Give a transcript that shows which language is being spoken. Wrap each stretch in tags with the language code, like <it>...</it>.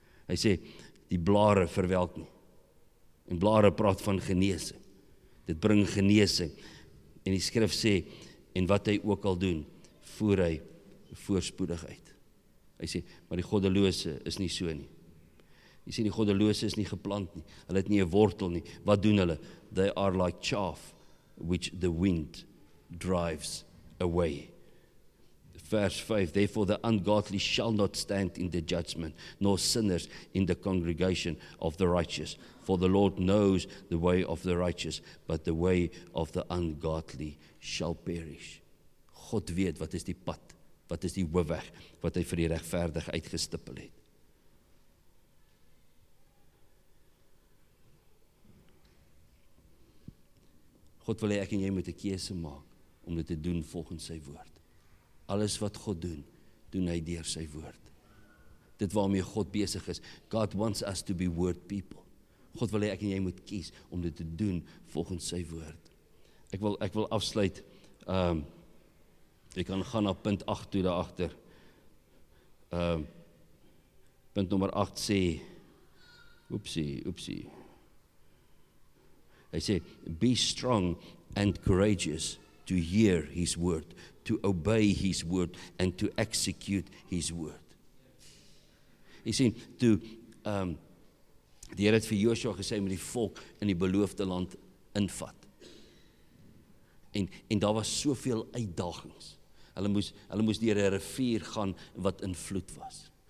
<af>Hy sê, die blare verwelk nie. En blare praat van genesing. Dit bring genesing. En die skrif sê, en wat hy ook al doen, voer hy voorspoedig uit. Hy sê, maar die goddelose is nie so nie. Hy sê, die goddelose is nie geplant nie. Hulle het nie 'n wortel nie. Wat doen hulle?</af> <en>They are like chaff, which the wind drives away. Vers 5, therefore the ungodly shall not stand in the judgment, nor sinners in the congregation of the righteous. For the Lord knows the way of the righteous, but the way of the ungodly shall perish.</en> <af>God weet wat is die pad, wat is die hoofweg, wat hy vir die regverdig uitgestippel het. God wil hê ek en jy moet 'n keuse maak om dit te doen volgens sy woord. Alles wat God doen, doen hy deur sy woord. Dit waarmee God besig is,</af> <en>God wants us to be word people.</en> <af>God wil hê ek en jy moet kies om dit te doen volgens sy woord. Ek wil afsluit. Jy kan gaan na punt 8 toe daar agter. Punt nommer 8 sê oepsie. Hy sê</af> <en>be strong and courageous to hear his word, to obey his word and to execute his word.</en> <af>Hy sê die Here het vir Joshua gesê met die volk in die beloofde land invat. En daar was soveel uitdagings. Hulle moes deur 'n rivier gaan wat in vloed was.</af>